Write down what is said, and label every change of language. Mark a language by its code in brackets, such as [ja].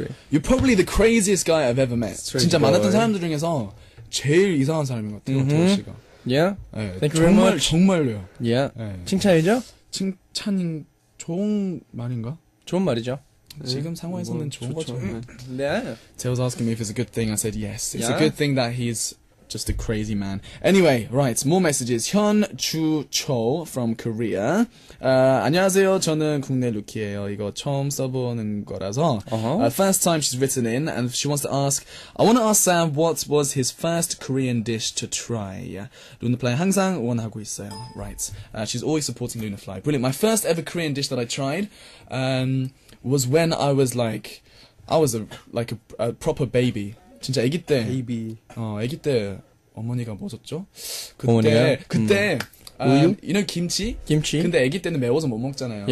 [en] You're probably the craziest guy I've ever met. [ko] 진짜 만났던 사람들 중에서 제일 이상한 사람인 것 같아요, 태호 씨가. [en] Yeah. Thank you very much. [ko] 정말요. Yeah. 칭찬이죠? 칭찬인 좋은 말인가? 좋은 말이죠. 지금 상황에서는 좋은 거죠. 네. [en] Tao was asking me if it's a good thing. I said yes. It's a good thing that he's just a crazy man. Anyway, right. More messages. Hyun Ju Cho from Korea. [ko] 안녕하세요. 저는 국내 루키예요. 이거 처음 써보는 거라서. [en] Uh-huh. First time she's written in and she wants to ask. I want to ask Sam what was his first Korean dish to try. Lunafly [ko] 항상 원하고 있어요. [en] Right. She's always supporting Lunafly. Brilliant. My first ever Korean dish that I tried was when I was like, I was a proper baby. [ko] 진짜 아기 때 [en] baby [ko] 아기 때 어머니가 뭐 줬죠? 그때 어머니가? 그때 우유? [en] You know, 김치? [ko] 김치? 근데 아기 때는 매워서 못 먹잖아요.